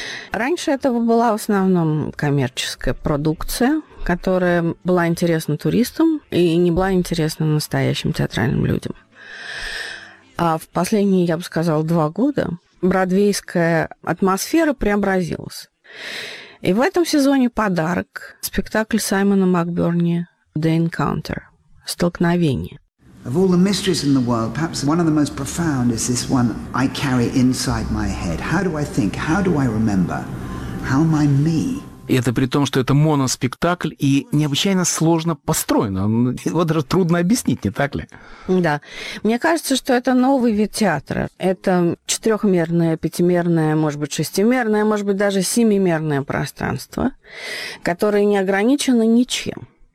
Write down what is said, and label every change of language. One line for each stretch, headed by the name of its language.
Russian: Раньше этого была в основном коммерческая продукция, которая была интересна туристам и не была интересна настоящим театральным людям. А в последние, я бы сказала, 2 года бродвейская атмосфера преобразилась. И в этом сезоне подарок – спектакль Саймона Макберни «The Encounter» – «Столкновение».
English: Of all the mysteries in the world, perhaps one of the most profound is this one I carry inside my head. How do I think? How do I remember? How am I me?
Russian: Это при том, что это моноспектакль и необычайно сложно построен. Его даже трудно объяснить, не так ли? Да. Мне кажется, что это новый вид театра. Это 4-мерное, 5-мерное, 6-мерное, даже 7-мерное пространство, которое не ограничено ничем.